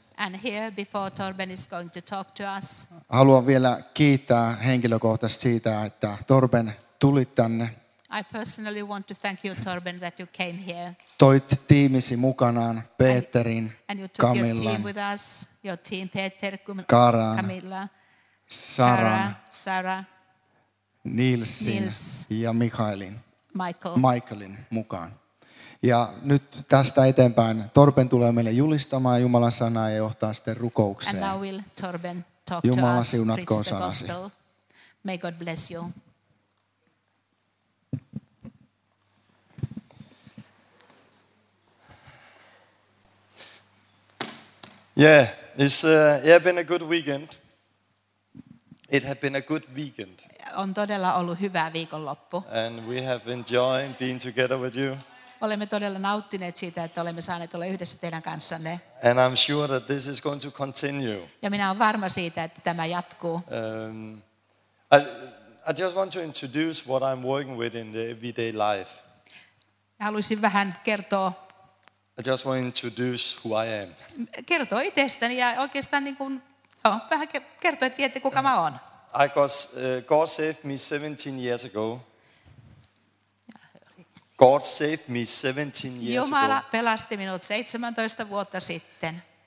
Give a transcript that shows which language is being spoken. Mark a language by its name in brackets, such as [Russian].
[English] and here before Torben is going to talk to us, [Finnish] haluan vielä kiittää henkilökohtaisesti siitä, että Torben tuli tänne. [English] I personally want to thank you, Torben, that you came here. [Finnish] Toit tiimisi mukanaan, Peterin, Kamillan, [English] and you took Kamillan, your team with us, your team, Peter, Karan, Kamilla, [Finnish] Sara, Nilsin [English] Nils, [Finnish] ja Mikaelin, Michaelin mukaan. Ja nyt tästä eteenpäin Torben tulee meille julistamaan Jumalan sanaa ja johtaa sitten rukoukseen. [English] And now will Torben talk [Finnish] Jumala [English] to us, [Finnish] siunatkoon sanasi. [English] May God bless you. Yeah, it's yeah been a good weekend. It had been a good weekend. [Finnish] On todella ollut hyvä viikonloppu. [English] And we have enjoyed being together with you. [Finnish] Olemme todella nauttineet siitä, että olemme saaneet olla yhdessä teidän kanssanne. [English] And I'm sure that this is going to continue. [Finnish] Ja minä olen varma siitä, että tämä jatkuu. [English] I just want to introduce what I'm working with in the everyday life. [Finnish] Haluaisin vähän kertoa. [English] I just want to introduce who I am. [Finnish] Kertoo itsestäni ja oikeastaan niin kuin, joo, vähän kertoo, että tiedätte, kuka mä oon. [English] God saved me 17 years ago. God saved me 17 years ago. [Finnish] Jumala pelasti minut 17 vuotta sitten.